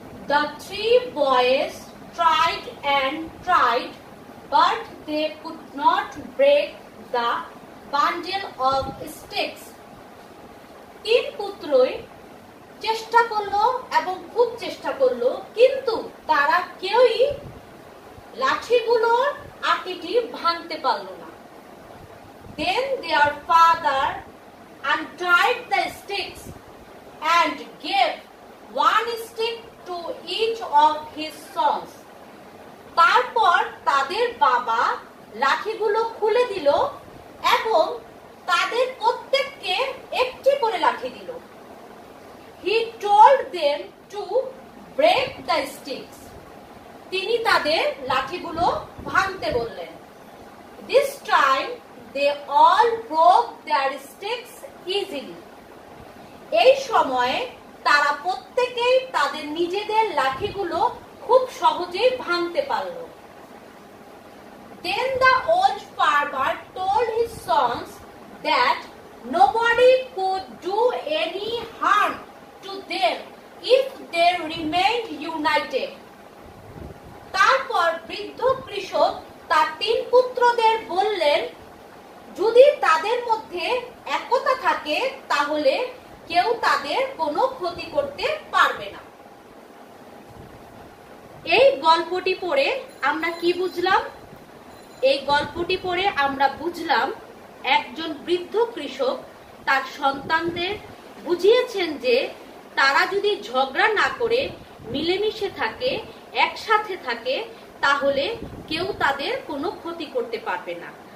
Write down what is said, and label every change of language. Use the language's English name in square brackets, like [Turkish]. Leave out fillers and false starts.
[English] The three boys tried and tried but they could not break the bundle of sticks. [Bangla] তিন পুত্রই চেষ্টা করলো এবং খুব চেষ্টা করলো, কিন্তু তারা কেউই লাঠিগুলোর আটিটি ভাঙতে পারল না। [English] Then their father untied the sticks and gave one stick to each of his sons. [Bangla] তারপর তাদের বাবা লাঠিগুলো খুলে দিল এবং তাদের প্রত্যেককে একটি করে লাঠি দিল। [English] He told them to break the sticks. [Bangla] তিনি তাদের লাঠিগুলো ভাঙতে বললেন। [English] This time they all broke their sticks easily. [Bangla] এই সময়ে তারা প্রত্যেকেই তাদের নিজেদের লাঠিগুলো খুব সহজেই ভাঙতে পারল। [English] Then the old farmer told his sons that nobody could do any harm to them if they remained united. [Bangla] তারপর বৃদ্ধ কৃষক তার তিন পুত্রদের বললেন, যদি তাদের মধ্যে একতা থাকে তাহলে কেউ তাদের কোনো ক্ষতি করতে পারবে না। এই গল্পটি পড়ে আমরা কি বুঝলাম? এই গল্পটি পড়ে আমরা বুঝলাম, একজন বৃদ্ধ কৃষক তার সন্তানদের বুঝিয়েছেন যে তারা যদি ঝগড়া না করে মিলেমিশে থাকে, একসাথে থাকে, তাহলে কেউ তাদের কোনো ক্ষতি করতে পারবে না।